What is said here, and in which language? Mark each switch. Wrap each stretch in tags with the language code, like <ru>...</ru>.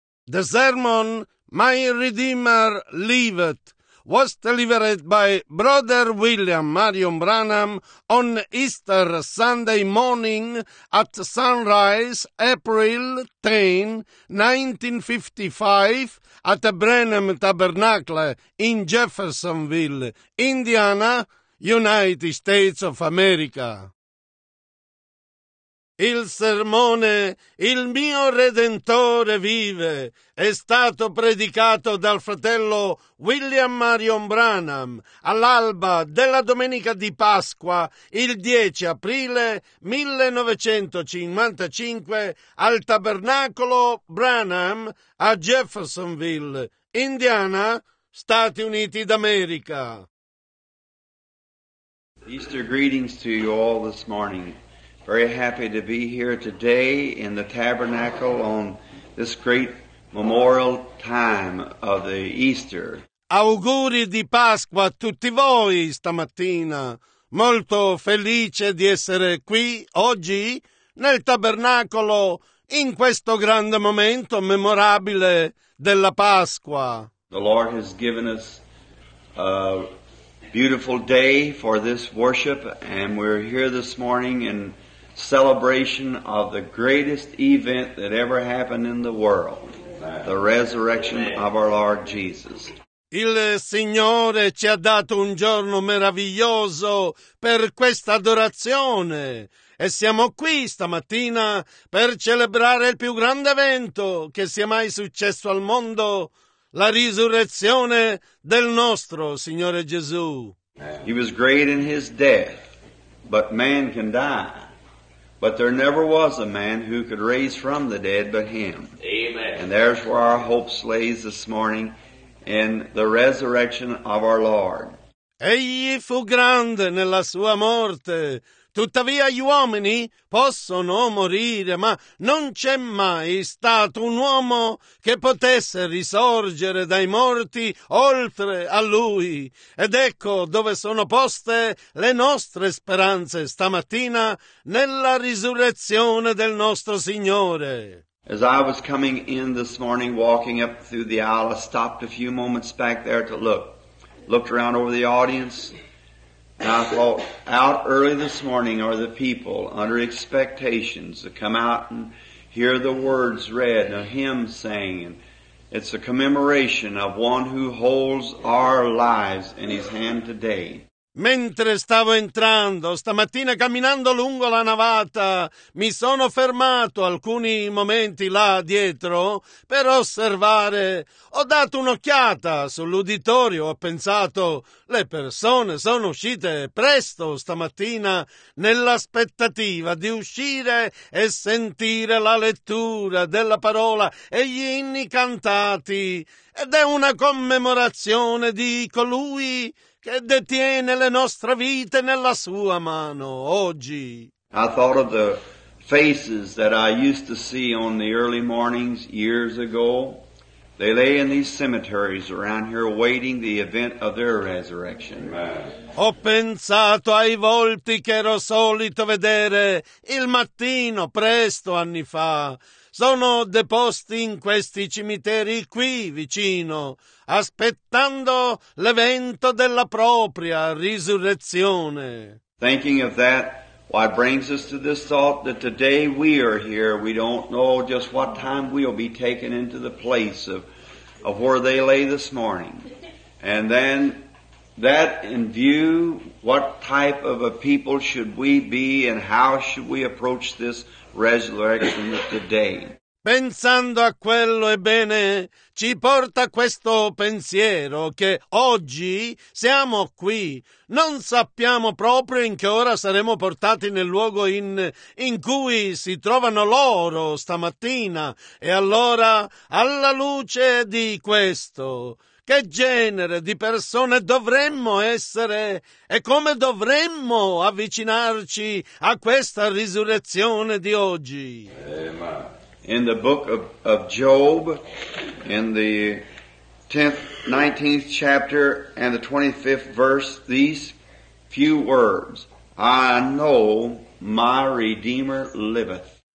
<en>The sermon, My Redeemer Liveth, was delivered by Brother William Marion Branham on Easter Sunday morning at sunrise, April 10, 1955, at the Branham Tabernacle in Jeffersonville, Indiana, United States of America.</en> <it>Il sermone Il mio Redentore vive è stato predicato dal fratello William Marion Branham all'alba della domenica di Pasqua il 10 aprile 1955 al Tabernacolo Branham a Jeffersonville, Indiana, Stati Uniti d'America.</it> <en>Easter greetings to you all this morning. Very happy to be here today in the tabernacle on this great memorial time of the Easter.</en> <it>Auguri di Pasqua a tutti voi stamattina. Molto felice di essere qui oggi nel tabernacolo in questo grande momento memorabile della Pasqua.</it> <en>The Lord has given us a beautiful day for this worship, and we're here this morning in celebration of the greatest event that ever happened in the world, the resurrection of our Lord Jesus.</en> <it>Il Signore ci ha dato un giorno meraviglioso per questa adorazione e siamo qui stamattina per celebrare il più grande evento che sia mai successo al mondo, la risurrezione del nostro Signore Gesù.</it> <en>He was great in his death, but man can die. But there never was a man who could raise from the dead but him. Amen. And there's where our hope lays this morning, in the resurrection of our Lord.</en> <it>Egli fu grande nella sua morte. Tuttavia gli uomini possono morire, ma non c'è mai stato un uomo che potesse risorgere dai morti oltre a lui. Ed ecco dove sono poste le nostre speranze stamattina nella risurrezione del nostro Signore.</it> <en>As I was coming in this morning, walking up through the aisle, I stopped a few moments back there to look. Looked around over the audience. And I thought, out early this morning are the people under expectations to come out and hear the words read, a hymn sang. It's a commemoration of one who holds our lives in his hand today.</en> <it>Mentre stavo entrando, stamattina camminando lungo la navata, mi sono fermato alcuni momenti là dietro per osservare. Ho dato un'occhiata sull'uditorio, ho pensato, le persone sono uscite presto stamattina nell'aspettativa di uscire e sentire la lettura della parola e gli inni cantati. Ed è una commemorazione di colui che detiene le nostre vite nella sua mano oggi.</it> <en>I thought of the faces that I used to see on the early mornings years ago. They lay in these cemeteries around here waiting the event of their resurrection.</en> <it>Ho pensato ai volti che ero solito vedere il mattino presto anni fa. Sono deposti in questi cimiteri qui vicino, aspettando l'evento della propria risurrezione.</it> <en>Thinking of that, what brings us to this thought that today we are here, we don't know just what time we'll be taken into the place of where they lay this morning. And then that in view, what type of a people should we be and how should we approach this resurrection today?</en> <it>Pensando a quello, ebbene, ci porta questo pensiero che oggi siamo qui. Non sappiamo proprio in che ora saremo portati nel luogo in cui si trovano loro stamattina. E allora, alla luce di questo, che genere di persone dovremmo essere e come dovremmo avvicinarci a questa risurrezione di oggi?</it> <en>In the book of Job, in the 19th chapter and the 25th verse, these few words, I know my Redeemer liveth.</en>